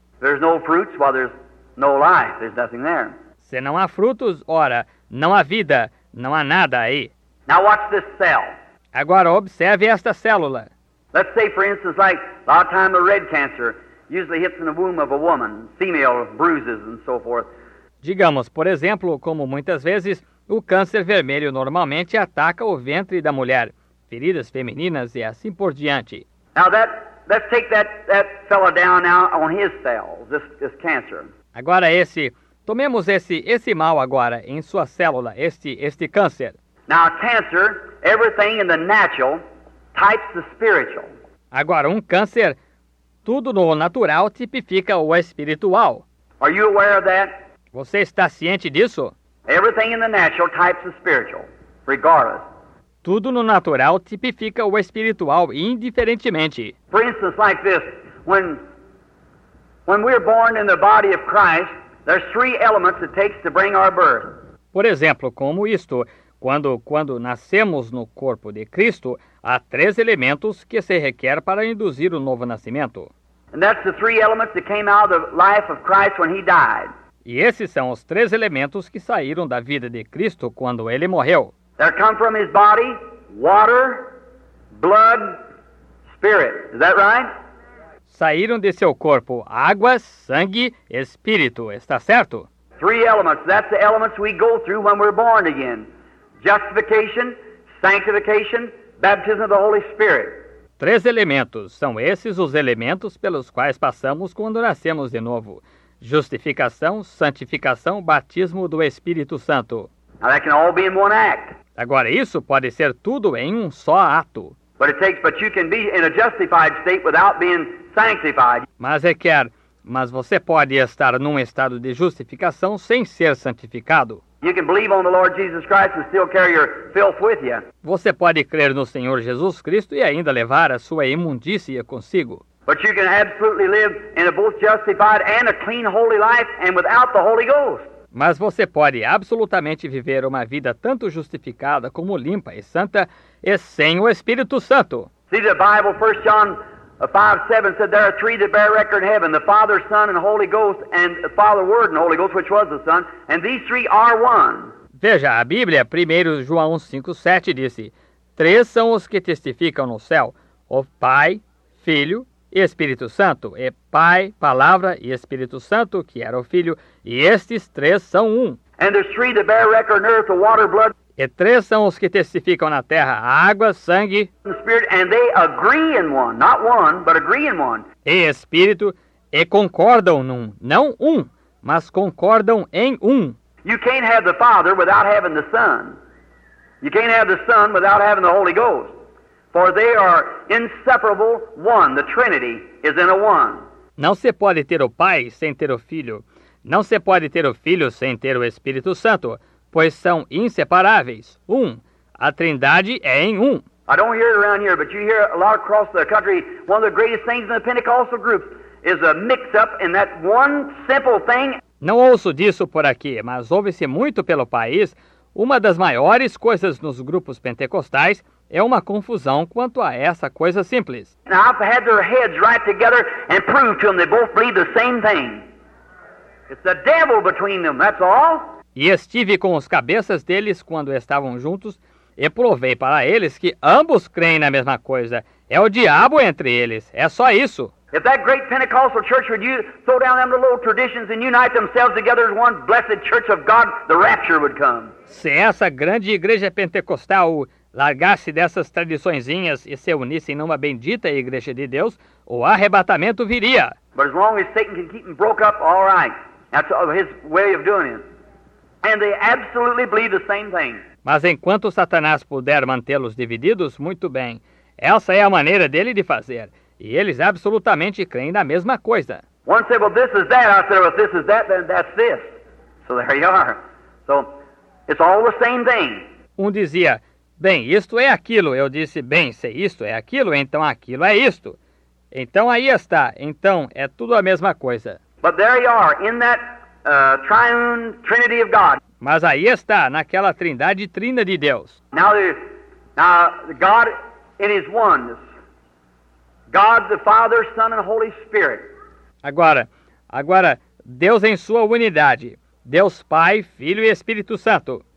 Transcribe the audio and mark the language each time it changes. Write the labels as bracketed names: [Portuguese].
[English] There's no fruits while there's no life. There's nothing there. [Portuguese] Se não há frutos, ora, não há vida, não há nada aí. [English] Now watch this cell. [Portuguese] Agora observe esta célula. [English] Let's say, for instance, like a lot of time a red cancer usually hits in the womb of a woman, female bruises and so forth. [Portuguese] Digamos, por exemplo, como muitas vezes, o câncer vermelho normalmente ataca o ventre da mulher, feridas femininas e assim por diante. [English] Now let's take that fellow down now on his cells, this cancer. [Portuguese] Agora tomemos esse mal agora em sua célula, este câncer. [English] Now cancer, everything in the natural types the spiritual. [Portuguese] Agora câncer, tudo no natural tipifica o espiritual. [English] Are you aware of that? [Portuguese] Você está ciente disso? [English] Everything in the natural types the spiritual, regardless. [Portuguese] Tudo no natural tipifica o espiritual, indiferentemente. [English] For instance, like this, when we're born in the body of Christ, there's three elements it takes to bring our birth. [Portuguese] Por exemplo, como isto, quando nascemos no corpo de Cristo, há três elementos que se requer para induzir o novo nascimento. [English] And that's the three elements that came out of the life of Christ when he died. [Portuguese] E esses são os três elementos que saíram da vida de Cristo quando ele morreu. [English] They come from his body, water, blood, spirit. Is that right? [Portuguese] Saíram de seu corpo água, sangue, espírito. Está certo? [English] Three elements. That's the elements we go through when we're born again. Justification, sanctification, baptism of the Holy Spirit. [Portuguese] Três elementos. São esses os elementos pelos quais passamos quando nascemos de novo. Justificação, santificação, batismo do Espírito Santo. [English] Now that can all be in one act. [Portuguese] Agora isso pode ser tudo em um só ato. [English] But you can be in a justified state without being sanctified. [Portuguese] Mas você pode estar num estado de justificação sem ser santificado. [English] You can believe on the Lord Jesus Christ and still carry your filth with you. [Portuguese] Você pode crer no Senhor Jesus Cristo e ainda levar a sua imundícia consigo. [English] But you can absolutely live in a both justified and a clean holy life and without the Holy Ghost. [Portuguese] Mas você pode absolutamente viver uma vida tanto justificada como limpa e santa e sem o Espírito Santo. [English] See the Bible, 1 John 5:7 said there are three that bear record in heaven, the Father, Son and Holy Ghost, and the Father, Word and Holy Ghost, which was the Son, and these three are one. [Portuguese] Veja, a Bíblia, 1 João 5:7 disse: três são os que testificam no céu, o Pai, Filho e Espírito Santo, é Pai, Palavra e Espírito Santo, que era o Filho, e estes três são um. [English] And there's three that bear record in earth, the water, blood. [Portuguese] E três são os que testificam na terra, água, sangue. [English] And spirit, and they agree in one, not one, but agree in one. [Portuguese] E Espírito, e concordam num, não um, mas concordam em um. [English] You can't have the Father without having the Son. You can't have the Son without having the Holy Ghost. For they are inseparable one. The Trinity is in a one. [Portuguese] Não se pode ter o Pai sem ter o Filho. Não se pode ter o Filho sem ter o Espírito Santo, pois são inseparáveis. Um. A Trindade é em um. [English] I don't hear it around here, but you hear it a lot across the country. One of the greatest things in the Pentecostal groups is a mix-up in that one simple thing. [Portuguese] Não ouço disso por aqui, mas ouve-se muito pelo país. Uma das maiores coisas nos grupos pentecostais é uma confusão quanto a essa coisa simples. [English] Now, I've had their heads right together and proved to them they both believe the same thing. It's the devil between them, that's all. [Portuguese] E estive com as cabeças deles quando estavam juntos e provei para eles que ambos creem na mesma coisa. É o diabo entre eles, é só isso. [English] If that great Pentecostal church would throw down them little traditions and unite themselves together as one blessed church of God, the rapture would come. [Portuguese] Se essa grande igreja pentecostal largasse dessas tradiçõezinhas e se unissem numa bendita igreja de Deus, o arrebatamento viria. [English] But as long as Satan can keep them broke up, all right. That's his way of doing it. And they absolutely believe the same thing. [Portuguese] Mas enquanto Satanás puder mantê-los divididos, muito bem. Essa é a maneira dele de fazer. E eles absolutamente creem na mesma coisa. [English] One said, well, this is that. I said, well, this is that, then that's this. So there you are. So it's all the same thing. [Portuguese] Um dizia, bem, isto é aquilo. Eu disse, bem, se isto é aquilo, então aquilo é isto. Então aí está. Então é tudo a mesma coisa. [English] But there you are, in that triune trinity of God. [Portuguese] Mas aí está, naquela trindade trina de Deus. [English] Now God in his oneness. God the Father, Son and Holy Spirit. [Portuguese] Agora, Deus em sua unidade. Deus Pai, Filho e Espírito Santo.